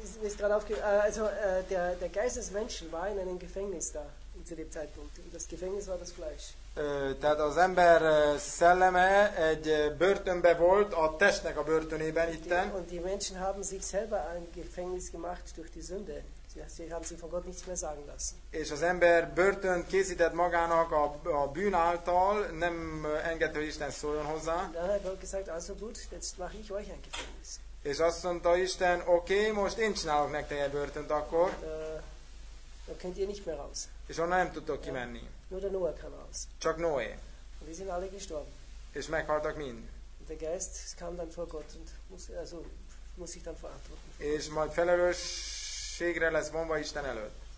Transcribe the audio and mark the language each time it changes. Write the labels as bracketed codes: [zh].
[de] ist gerade der Geist des Menschen war in einem Gefängnis da zu dem Zeitpunkt. Das Gefängnis war das Fleisch. [hu] Tehát az ember szelleme egy börtönbe volt, a testnek a börtönében itten. [de] Und die Menschen haben sich selber ein Gefängnis gemacht durch die Sünde. Sie haben sich von Gott nichts mehr sagen lassen. [hu] És az ember börtönt készített magának a bűn által, nem engedte, hogy Isten szóljon hozzá. [de] Dann hat Gott gesagt, also gut, jetzt mache ich euch ein Gefängnis. [hu] És azt mondta Isten, okay, most én csinálok nektek egy börtönt akkor. [de] Da könnt ihr nicht mehr raus. [hu] És onnan nem tudtok kimenni. [de] Nur der Noah kann raus. [hu] Csak Noé. [de] Und die sind alle gestorben. [hu] És meghaltak mind. [de] Und der Geist kam dann vor Gott und muss sich dann verantworten. [hu] És majd felelősségre lesz vonva Isten előtt.